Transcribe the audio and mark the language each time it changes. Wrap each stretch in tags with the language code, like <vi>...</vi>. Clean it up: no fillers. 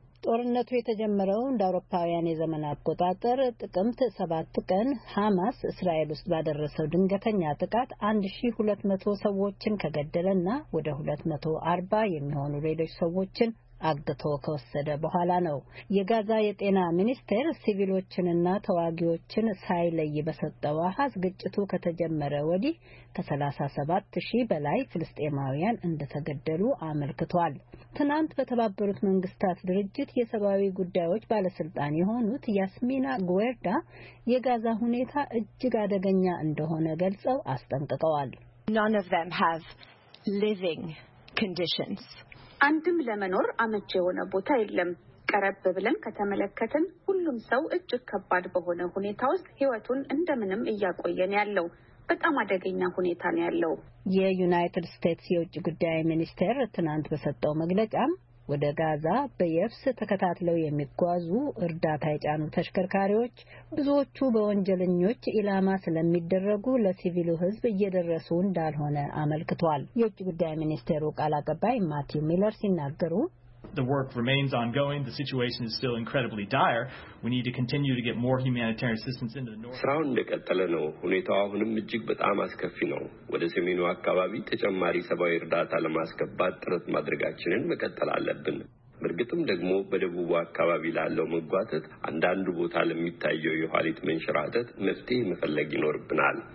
<am>ጦርነቱ የተጀመረው እንደ አውሮፓውያን የዘመን አቆጣጠር ጥቅምት 7 ቀን ሐማስ እስራኤል ውስጥ ባደረሰው ድንገተኛ ጥቃት 1200 ሰዎችን ከገደለና ወደ 240 የሚሆኑ ሌሎች ሰዎችን አግተው ከወሰደ በኋላ ነው። የጋዛ የጤና ሚኒስቴር ሲቪሎችንና ተዋጊዎችን ሳይለይ በሰጠው አሃዝ ግጭቱ ከተጀመረ ወዲህ ከ37000 በላይ ፍልስጤማውያን እንደተገደሉ አመልክቷል። ትናንት በተባበሩት መንግስታት ድርጅት የሰብአዊ ጉዳዮች ባለስልጣን የሆኑት ያስሚና ጉዌርዳ የጋዛ ሁኔታ እጅግ አደገኛ እንደሆነ ገልጸው አስጠንቅቀዋል።</am> <en>None of them have living conditions.</en> <am>አንድም ለመኖር አመቺ የሆነ ቦታ የለም። ቀረብ ብለን ከተመለከተን ሁሉም ሰው እጅግ ከባድ በሆነ ሁኔታ ውስጥ ህይወቱን እንደምንም እያቆየን ያለው በጣም አደገኛ ሁኔታ ነው ያለው። የዩናይትድ ስቴትስ የውጭ ጉዳይ ሚኒስቴር ትናንት በሰጠው መግለጫ ወደ ጋዛ በየብስ ተከታትለው የሚጓዙ እርዳታ የጫኑ ተሽከርካሪዎች ብዙዎቹ በወንጀለኞች ኢላማ ስለሚደረጉ ለሲቪሉ ህዝብ እየደረሱ እንዳልሆነ አመልክቷል። የውጭ ጉዳይ ሚኒስቴሩ ቃል አቀባይ ማቲው ሚለር ሲናገሩ</am> <en>The work remains ongoing. The situation is still incredibly dire. We need to continue to get more humanitarian assistance into the north.</en> <am>ስራው እንደቀጠለ ነው። ሁኔታው አሁንም እጅግ በጣም አስከፊ ነው። ወደ ሰሜኑ አካባቢ ተጨማሪ ሰብአዊ እርዳታ ለማስገባት ጥረት ማድረጋችንን መቀጠል አለብን። በርግጥም ደግሞ በደቡብ አካባቢ ላለው መጓተት አንዳንድ ቦታ ለሚታየው የኋሊት መንሽራተት መፍትሄ መፈለግ ይኖርብናል።</am>